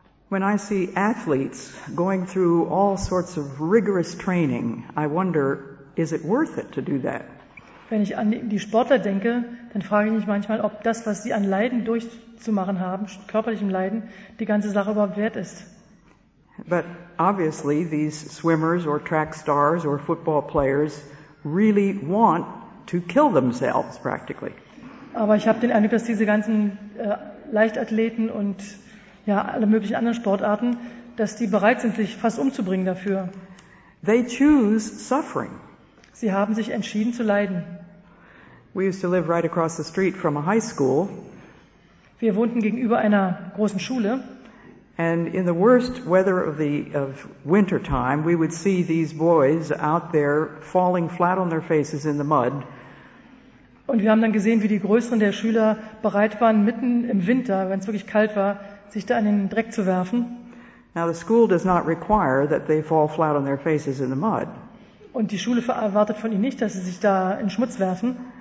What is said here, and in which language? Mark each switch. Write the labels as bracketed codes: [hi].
[en] When I see athletes going through all sorts of rigorous training, I wonder, is it worth it to do that? [de] Wenn ich an die Sportler denke, dann frage ich mich manchmal, ob das, was sie an Leiden durchzumachen haben, körperlichem Leiden, die ganze Sache überhaupt wert ist. [en] But obviously these swimmers or track stars or football players really want to kill themselves practically. [de] Aber ich habe den Eindruck, dass diese ganzen Leichtathleten und ja alle möglichen anderen Sportarten, dass die bereit sind, sich fast umzubringen dafür. [en] They choose suffering. [de] Sie haben sich entschieden zu leiden. [en] We used to live right across the street from a high school. [de] Wir wohnten gegenüber einer großen Schule. [en] And in the worst weather of winter time, we would see these boys out there falling flat on their faces in the mud. [de] Und wir haben dann gesehen, wie die größeren der Schüler bereit waren, mitten im Winter, wenn es wirklich kalt war, sich da in den Dreck zu werfen. [en] Now the school does not require that they fall flat on their faces in the mud. [de] Und die Schule erwartet von ihnen nicht, dass sie sich da in Schmutz werfen.